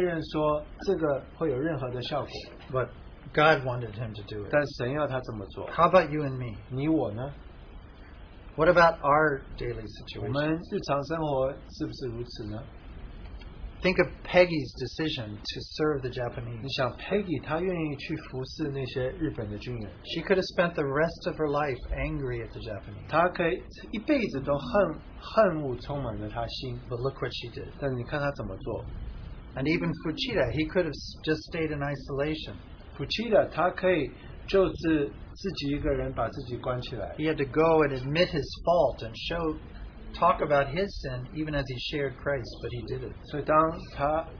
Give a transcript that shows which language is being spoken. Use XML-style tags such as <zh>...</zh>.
<zh>所以他回去爱这个看守他的，他不能确认说这个会有任何的效果。</zh> <en>But God wanted him to do it.</en> <zh>但神要他怎么做？</zh> <en>How about you and me?</en> <zh>你我呢？</zh> <en>What about our daily situation?</en> <zh>我们日常生活是不是如此呢？</zh> <en>Think of Peggy's decision to serve the Japanese.</en> <zh>你想, Peggy, 她愿意去服侍那些日本的军人。</zh> <en>She could have spent the rest of her life angry at the Japanese.</en> <zh>她可以一辈子都恨恨恶充满了她心。</zh> <en>But look what she did.</en> <zh>但你看她怎么做。</zh> <en>And even Fuchida, he could have just stayed in isolation.</en> <zh>Fuchida, 她可以就自己一个人把自己关起来。</zh> <en>He had to go and admit his fault and show talk about his sin even as he shared Christ, but he did it.</en>